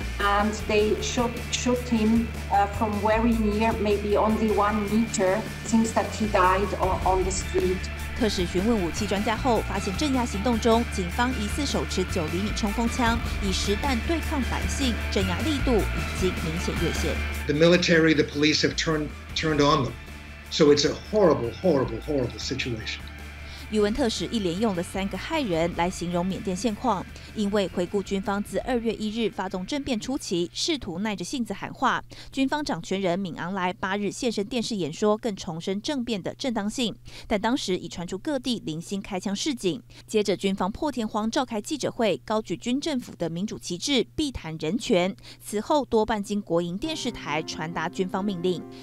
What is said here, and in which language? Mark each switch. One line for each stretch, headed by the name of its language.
English: And they shot him from very near, maybe only 1 meter. Seems that he died on the street.
Chinese: 特使询问武器专家后，发现镇压行动中，警方疑似手持9厘米冲锋枪，以实弹对抗百姓，镇压力度已经明显越线。
English: The military, the police have turned on them, so it's a horrible, horrible, horrible situation.
Chinese: 余文特使一连用了3个骇人来形容缅甸现况，因为回顾军方自2月1日发动政变初期，试图耐着性子喊话，军方掌权人敏昂莱8日现身电视演说，更重申政变的正当性，但当时已传出各地零星开枪示警，接着军方破天荒召开记者会，高举军政府的民主旗帜，避谈人权，此后多半经国营电视台传达军方命令，